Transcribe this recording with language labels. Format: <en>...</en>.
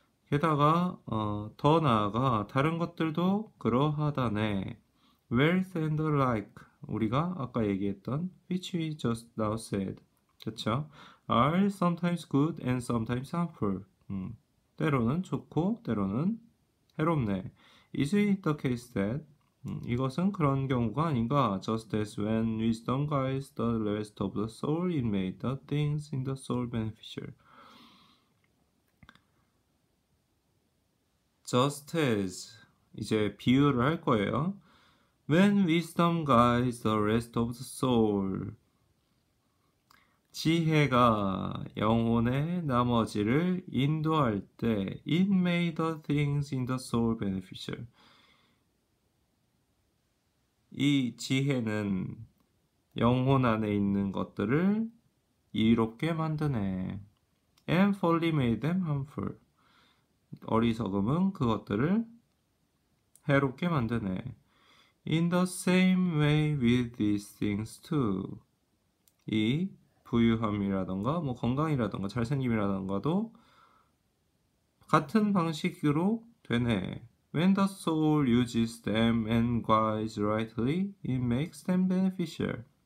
<ko>게다가 더 나아가 다른 것들도 그러하다네.</ko> <en>Wealth and the like.</en> <ko>우리가 아까 얘기했던</ko> <en>which we just now said. 그렇죠? Are sometimes good and sometimes harmful.</en> <ko>때로는 좋고 때로는 해롭네.</ko> <en>Is it the case that</en> <ko>이것은 그런 경우가 아닌가?</ko> <en>Just as when wisdom guides the rest of the soul, it made the things in the soul beneficial. Just as</en> <ko>이제 비유를 할 거예요.</ko> <en>When wisdom guides the rest of the soul,</en> <ko>지혜가 영혼의 나머지를 인도할 때,</ko> <en>it made the things in the soul beneficial.</en> <ko>이 지혜는 영혼 안에 있는 것들을 이롭게 만드네.</ko> <en>And folly made them harmful.</en> <ko>어리석음은 그것들을 해롭게 만드네.</ko> <en>In the same way with these things too.</en> <ko>이 부유함이라던가, 뭐 건강이라던가, 잘생김이라던가도 같은 방식으로 되네.</ko> <en>When the soul uses them and guides rightly, it makes them beneficial.</en>